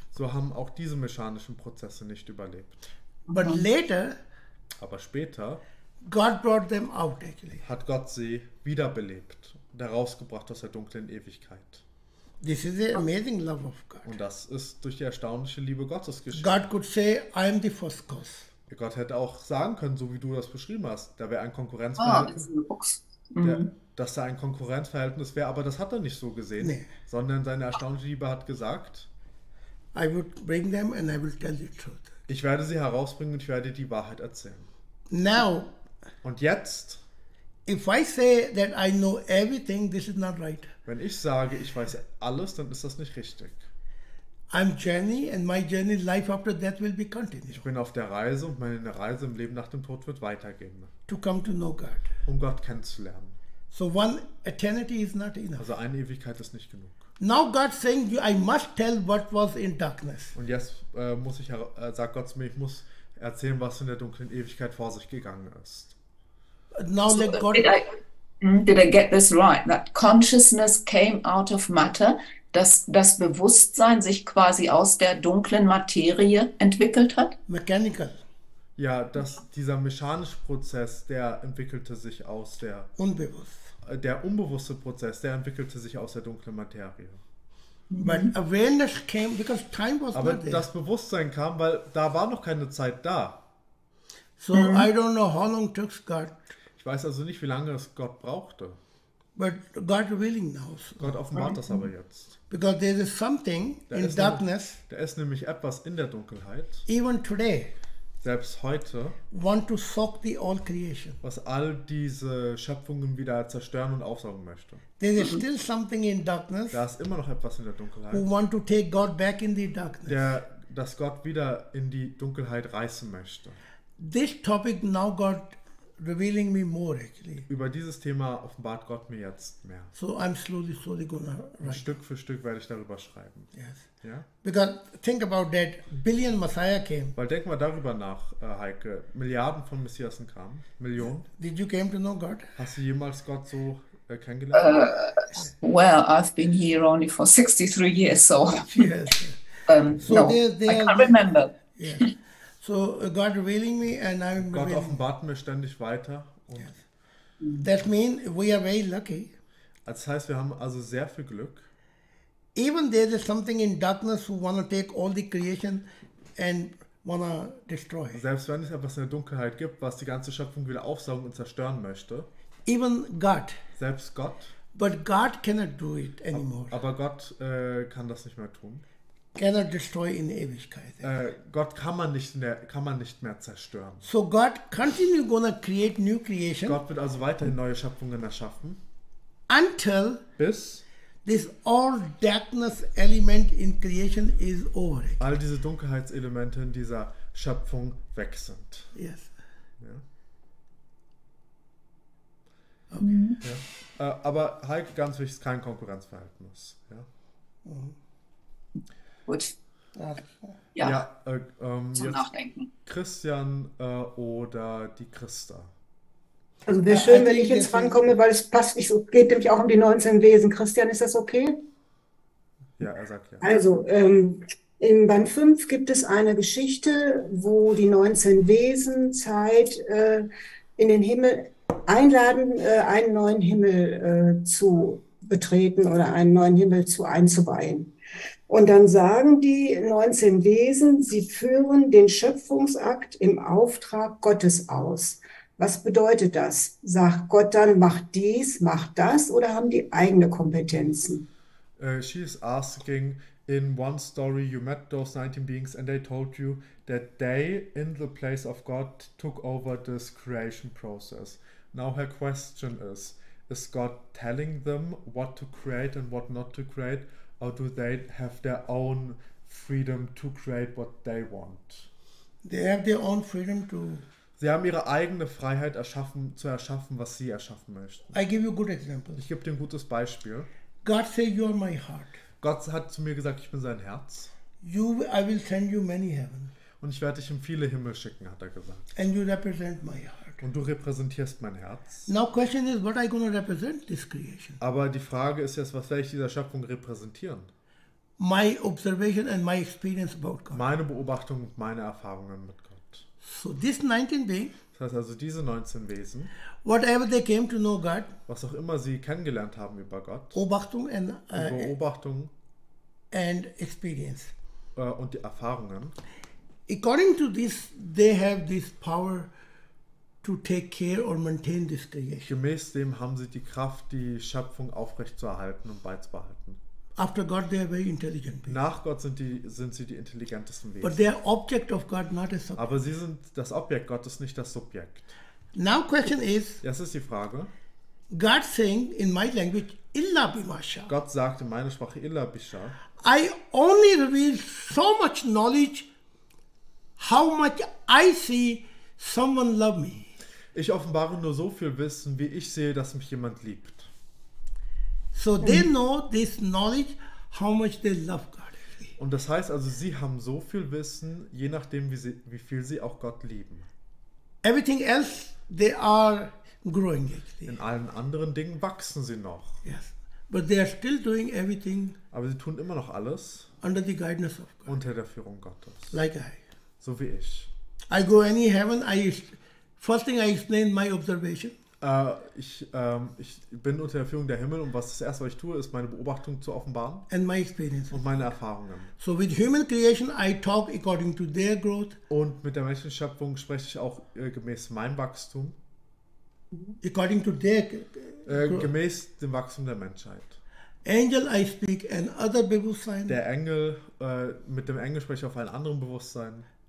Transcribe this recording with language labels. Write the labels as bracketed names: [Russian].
[German] so haben auch diese mechanischen Prozesse nicht überlebt. [English] But later, [German] aber später, [English] God brought them out, actually. [German] Hat Gott sie wiederbelebt, herausgebracht aus der dunklen Ewigkeit. [English] This is the amazing love of God. [German] Und das ist durch die erstaunliche Liebe Gottes geschehen. [English] God could say, I am the first cause. [German] Gott hätte auch sagen können, so wie du das beschrieben hast, da wäre ein Konkurrenz. Dass da ein Konkurrenzverhältnis wäre, aber das hat er nicht so gesehen, nee. Sondern seine erstaunliche Liebe hat gesagt, [English] I would bring them and I will tell the truth. [German] Ich werde sie herausbringen und ich werde die Wahrheit erzählen. [English] Now, [German] und jetzt, [English] if I say that I know everything, this is not right. [German] Wenn ich sage, ich weiß alles, dann ist das nicht richtig. [English] I'm journey and my journey life after death will be continued. [German] Ich bin auf der Reise und meine Reise im Leben nach dem Tod wird weitergehen. [English] To come to know God. [German] Um Gott kennenzulernen. [English] So one eternity is not enough. [German] Also eine Ewigkeit ist nicht genug. [English] Now God saying I must tell what was in darkness. [German] Und jetzt muss ich sagt Gott zu mir, ich muss erzählen, was in der dunklen Ewigkeit vor sich gegangen ist. [English] Now let God. Did I get this right? That consciousness came out of matter. [German] Dass das Bewusstsein sich quasi aus der dunklen Materie entwickelt hat? [English] Mechanical. [German] Ja, dass dieser mechanische Prozess, der entwickelte sich aus der... Unbewusst. Der unbewusste Prozess, der entwickelte sich aus der dunklen Materie. [English] But awareness came because time was [German] aber [English] not there. [German] Das Bewusstsein kam, weil da war noch keine Zeit da. [English] So I don't know how long took God. [German] Ich weiß also nicht, wie lange es Gott brauchte. [English] But God willing now. [German] Gott offenbart das aber jetzt. [English] Because there is something in darkness. [German] Da ist nämlich etwas in der Dunkelheit. [English] Even today. [German] Selbst heute. [English] Want to soak the all creation. [German] Was all diese Schöpfungen wieder zerstören und aufsaugen möchte. [English] There is still something in darkness. [German] Da ist immer noch etwas in der Dunkelheit. [English] Who want to take God back in the darkness. [German] Der das Gott wieder in die Dunkelheit reißen möchte. [English] This topic now God revealing me more actually. [German] Über dieses Thema offenbart Gott mir jetzt mehr. [English] So I'm slowly gonna write. [German] Stück für Stück werde ich darüber schreiben. [English] Yes. Yeah? Because think about that, billion Messiah came. [German] Weil denk mal darüber nach, Heike. Milliarden von Messiasen kamen. Millionen. [English] Did you came to know God? [German] Hast du jemals Gott so kennengelernt? [English] Well, I've been here only for 63 years, so. Yes. So no, there, I can't remember. Yeah. So God revealing me and I'm [German] Gott [English] revealing. [German] Offenbart mir ständig weiter. [English] Und yes. That means we are very lucky. [German] Das heißt, wir haben also sehr viel Glück. [English] Even there is something in darkness who wanna take all the creation and wanna destroy. [German] Selbst wenn es etwas in der Dunkelheit gibt, was die ganze Schöpfung wieder aufsaugen und zerstören möchte. [English] Even God. [German] Selbst Gott. [English] But God cannot do it anymore. [German] Aber Gott kann das nicht mehr tun. [English] Cannot destroy [German] in Ewigkeit. Gott kann man nicht mehr zerstören. [English] So God continue gonna create new creation. [German] Gott wird also weiterhin neue Schöpfungen erschaffen. [English] Until [German] bis [English] this all darkness element in creation is over. [German] All diese Dunkelheitselemente in dieser Schöpfung weg sind. [English] Yes. [German] Ja. Okay. Ja. Aber Heike, ganz wichtig, ist kein Konkurrenzverhältnis. Ja. Mhm. Gut. Ja, zum jetzt Nachdenken. Christian oder die Christa. Also wäre schön, wenn ich jetzt rankomme, weil es passt nicht so, geht nämlich auch um die 19 Wesen. Christian, ist das okay? Ja, er sagt ja. Also, in Band 5 gibt es eine Geschichte, wo die 19 Wesen Zeit in den Himmel einladen, einen neuen Himmel zu betreten oder einen neuen Himmel zu einzuweihen. Und dann sagen die 19 Wesen, sie führen den Schöpfungsakt im Auftrag Gottes aus. Was bedeutet das? Sagt Gott dann, mach dies, mach das oder haben die eigene Kompetenzen? [English] She is asking, in one story you met those 19 beings and they told you that they, in the place of God, took over this creation process. Now her question is God telling them what to create and what not to create? Or do they have their own freedom to create what they want? They have their own freedom to... [German] Sie haben ihre eigene Freiheit erschaffen, zu erschaffen, was sie erschaffen möchten. [English] I give you a good example. [German] Ich gebe dir ein gutes Beispiel. [English] God say you are my heart. [German] Gott hat zu mir gesagt, ich bin sein Herz. [English] You, I will send you many heaven. [German] Und ich werde dich in viele Himmel schicken, hat er gesagt. [English] And you represent my heart. [German] Und du repräsentierst mein Herz. [English] Now question is, what I gonna represent this creation? [German] Aber die Frage ist jetzt, was werde ich dieser Schöpfung repräsentieren? [English] my observation and my experience about God. [German] Meine Beobachtung und meine Erfahrungen mit Gott. [English] So this 19 beings, [German] das heißt also diese 19 Wesen, [English] whatever they came to know God, [German] was auch immer sie kennengelernt haben über Gott, Beobachtung and, Beobachtung [English] and experience. [German] Und die Erfahrungen. [English] According to this, they have this power to take care or maintain this creation. [German] Gemäß dem haben sie die Kraft, die Schöpfung aufrechtzuerhalten und beizubehalten. [English] After God, they are very intelligent [German] people. Nach Gott sind sie die intelligentesten Wesen. [English] But they are object of God, not a subject. [German] Aber sie sind das Objekt Gottes, nicht das Subjekt. [English] Now question is. [German] Das ist die Frage. [English] God saying in my language, illa bimasha. [German] Gott sagt in meiner Sprache, illa bisha. [English] I only reveal so much knowledge, how much I see someone love me. [German] Ich offenbare nur so viel Wissen, wie ich sehe, dass mich jemand liebt. [English] So they know this knowledge, how much they love God. [German] Und das heißt also, sie haben so viel Wissen, je nachdem, wie viel sie auch Gott lieben. [English] Everything else, they are growing. Actually. [German] In allen anderen Dingen wachsen sie noch. [English] Yes. But they are still doing everything. [German] Aber sie tun immer noch alles. [English] Under the guidance of God. [German] Unter der Führung Gottes. [English] Like I. [German] So wie ich. [English] I go any heaven. First thing I explain my observation. [German] Ich bin unter der Führung der Himmel und was das erste, was ich tue, ist meine Beobachtung zu offenbaren. [English] And my experience. [German] Und meine Erfahrungen. [English] So with human creation, I talk according to their growth. [German] Und mit der Menschenschöpfung spreche ich auch gemäß meinem Wachstum. [English] According to their [German] gemäß dem Wachstum der Menschheit. [English] Angel, I speak and other Bewusstsein. Der Engel, mit dem Engel spreche ich auf einem anderen Bewusstsein.